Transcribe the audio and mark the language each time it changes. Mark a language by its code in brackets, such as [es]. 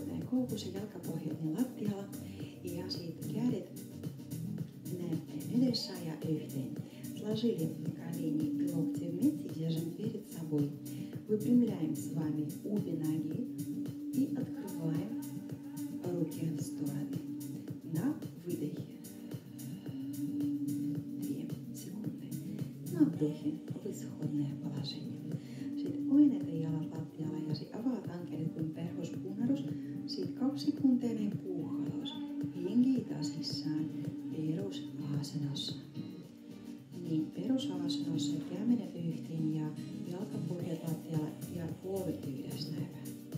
[fi] Koukussa jalkapohjainen lattialla ja sitten kädet näin edessä ja yhteen. [ru] Сложили колени и локти вместе, держим перед собой. Выпрямляем с вами обе ноги и открываем руки в стороны. На выдохе. 2 секунды. На вдохе в исходное положение. [fi] Sitten oin, että jalat lattialla ja sitten avataan kädet kuin perhospunnerus. Sitten 2 sekuntia puuhalos. Hengitä sisään perusasennossa. Niin, perusasennossa kämenet yhteen ja jalkapohjat lattialla ja polvet yhdessä näin.